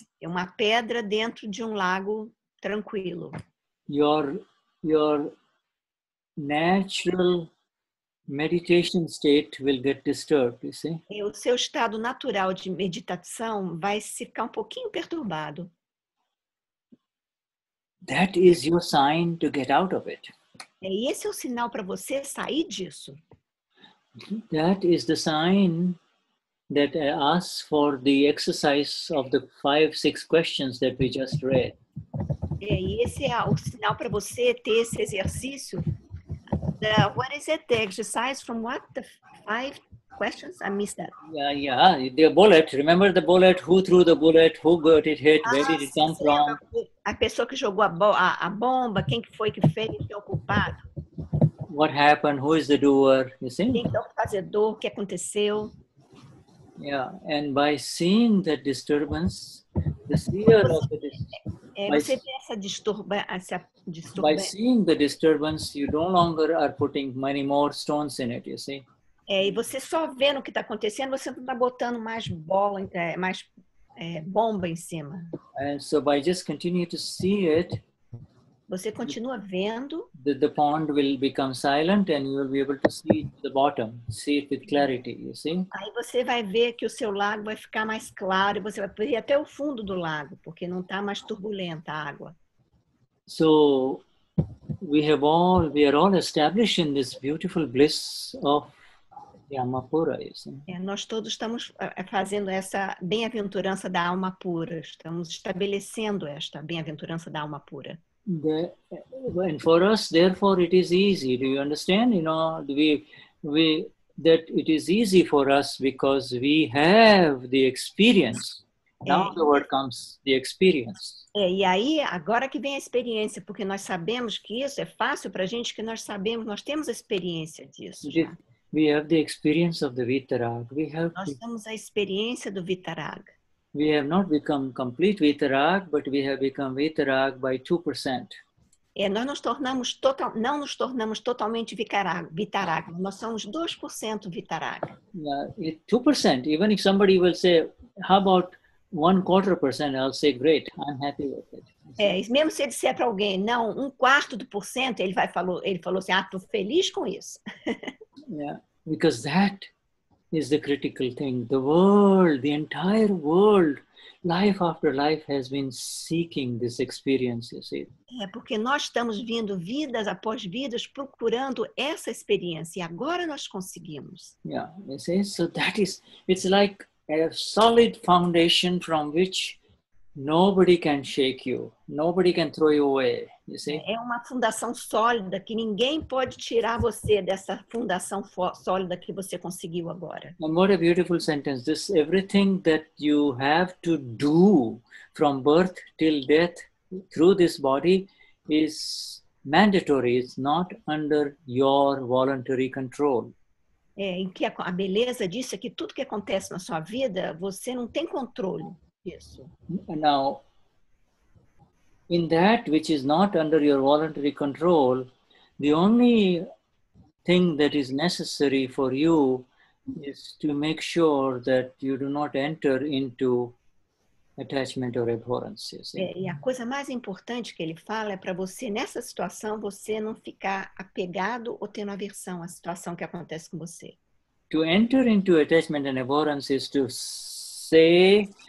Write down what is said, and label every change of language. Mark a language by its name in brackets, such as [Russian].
[Portuguese] É uma pedra dentro de um lago tranquilo. [English] Your natural meditation state will get disturbed, you see? [Portuguese] O seu estado natural de meditação vai ficar um pouquinho perturbado. [English] That is your sign to get out of it. [Portuguese] E esse é o sinal para você sair disso. [English] That is the sign that asks for the exercise of the 5-6 questions that we just read. [Portuguese] E esse é o sinal para você ter esse exercício. [English] The, what is it? The exercise from what? The 5 questions? I missed that. Yeah, yeah. The bullet. Remember the bullet? Who threw the bullet? Who got it hit? Where did it come from? [Portuguese] A pessoa que jogou a bomba, quem que foi que fez, que é o culpado. [English] What happened? Who is the doer? You see? [Portuguese] Quem é o fazedor? O que aconteceu? [English] Yeah, and by seeing the disturbance, the seer of the disturbance. [Portuguese] Você tem essa disturbância. [English] By seeing the disturbance, you no longer are putting many more stones in it, you see? [Portuguese] E você só vendo o que está acontecendo, você não está botando mais bola, mais bomba em cima. [English] And so by just continue to see it, [Portuguese] você continua vendo. [English] The pond will become silent and you will be able to see the bottom, see it with clarity, you see? [Portuguese] Aí você vai ver que o seu lago vai ficar mais claro e você vai ver até o fundo do lago, porque não está mais turbulenta a água. [English] So, we are all establishing this beautiful bliss of the alma pura, you see? [Portuguese] Nós todos estamos fazendo essa bem-aventurança da alma pura, estamos estabelecendo esta bem-aventurança da alma pura. [English] And for us, therefore, it is easy. Do you understand? You know, we that it is easy for us because we have the experience. Now the word comes, the experience. [Portuguese] E aí, agora que vem a experiência, porque nós sabemos que isso é fácil para a gente, que nós sabemos, nós temos a experiência disso. [English] We have the experience of the Vitaraga. [Portuguese] Temos a experiência do Vitaraga. [English] We have not become complete Vitarag, but we have become Vitarag by 2%. [Portuguese] Nós não nos tornamos totalmente Vitarag, nós somos 2% Vitarag. [English] Yeah, 2%, even if somebody will say, how about 0.25%, I'll say, great, I'm happy with it. [Portuguese] Mesmo se ele disser para alguém, não, 0.25%, ele falou assim, ah, estou feliz com isso. [English] Yeah, because that is the critical thing. The world, the entire world, life after life has been seeking this experience, you see. [Portuguese] Porque nós estamos vindo vidas após vidas procurando essa experiência e agora nós conseguimos. [English] Yeah, you see, so that is, it's like a solid foundation from which nobody can shake you, nobody can throw you away, you see. [Portuguese] É uma fundação sólida que ninguém pode tirar você dessa fundação sólida que você conseguiu agora. [English] And what a beautiful sentence. This everything that you have to do from birth till death through this body is mandatory, it's not under your voluntary control. [Portuguese] Em que a beleza disso é que tudo que acontece na sua vida, você não tem controle. Isso. [English] Now, in that which is not under your voluntary control, the only thing that is necessary for you is to make sure that you do not enter into attachment or abhorrence. [Portuguese] E a coisa mais importante que ele fala é para você, nessa situação, você não ficar apegado ou tendo aversão à situação que acontece com você. [English] To enter into attachment and abhorrence is to say...